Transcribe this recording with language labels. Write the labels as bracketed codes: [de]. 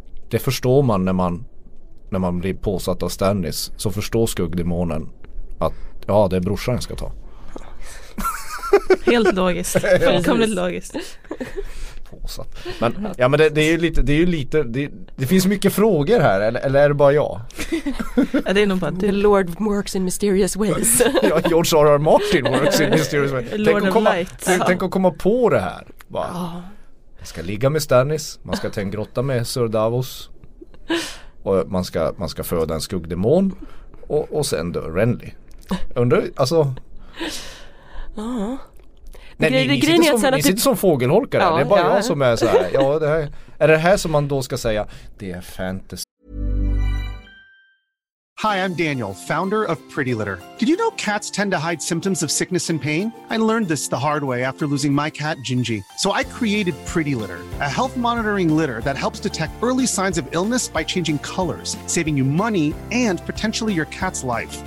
[sv] Det förstår man när man blir påsatt av Stannis, så förstår skuggdemonen att ja, det är brorsan jag ska ta. Helt logiskt. Fullkomligt logiskt. Påsatt. Men ja, men det är ju lite det finns mycket frågor här, eller är det bara jag? Ja, det är nog bara [en] the Lord works in mysterious ways. [sv] Ja, George R. R. [en] Martin works in mysterious ways. Lord of light. [sv] Tänk att komma på det här. Man ska ligga med Stannis, man ska ta en grotta med Sir Davos. Och man ska föda en skuggdemon och sen dör Renly. Undrar, alltså. Nej, ni sitter som fågelholkare. Ja, det är bara jag som är så här. Ja, det här. Är det här som man då ska säga? Det är fantasy. [en] Hi, I'm Daniel, founder of Pretty Litter. Did you know cats tend to hide symptoms of sickness and pain? I learned this the hard way after losing my cat, Gingy. So I created Pretty Litter, a health monitoring litter that helps detect early signs of illness by changing colors, saving you money and potentially your cat's life.